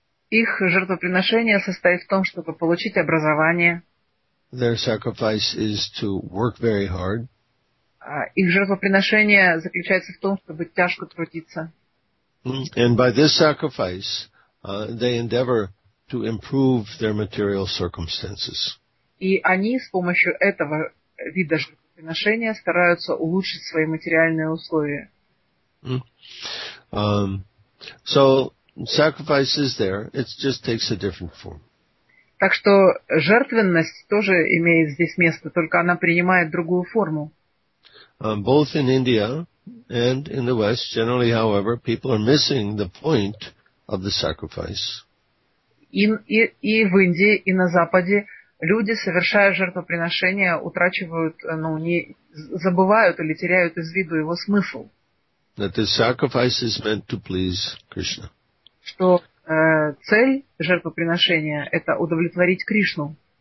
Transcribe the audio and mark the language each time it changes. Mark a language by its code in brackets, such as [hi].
[ru] Их жертвоприношение состоит в том, чтобы получить образование. [en] Their sacrifice is to work very hard. [ru] Их жертвоприношение заключается в том, чтобы тяжко трудиться. [en] And by this sacrifice, they endeavor to improve their material circumstances. [ru] И они с помощью этого вида жертвоприношения стараются улучшить свои материальные условия. [en] So sacrifice is there, it just takes a different form. [ru] Так что жертвенность тоже имеет здесь место, только она принимает другую форму. [en] Both in India and in the West, generally, however, people are missing the point of the sacrifice. [ru] И в Индии, и на Западе люди, совершая жертвоприношения, утрачивают, ну, не забывают или теряют из виду его смысл. [en] That the sacrifice is meant to please Krishna. [ru] Что цель жертвоприношения – это удовлетворить Кришну.